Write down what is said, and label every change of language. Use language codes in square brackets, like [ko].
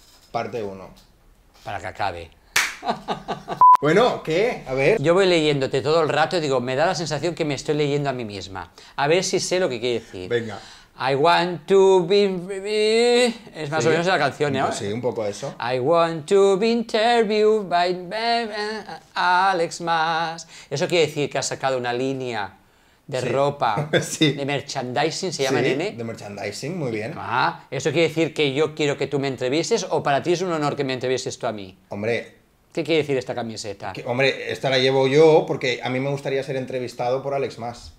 [es] Parte 1. Para que acabe. Bueno, ¿qué? A ver. Yo voy leyéndote todo el rato y digo, me da la sensación que me estoy leyendo a mí misma. A ver si sé lo que quiere decir. Venga. [en] I want to be... baby. [es] Es más o menos la canción, ¿eh? Sí, un poco eso. [en] I want to be interviewed by Alex Mas. [es] Eso quiere decir que ha sacado una línea de ropa, de merchandising, se llama, nene. De merchandising, muy bien. Ah, ¿eso quiere decir que yo quiero que tú me entrevistes o para ti es un honor que me entrevistes tú a mí? Hombre. ¿Qué quiere decir esta camiseta? Hombre, esta la llevo yo porque a mí me gustaría ser entrevistado por Alex Mas.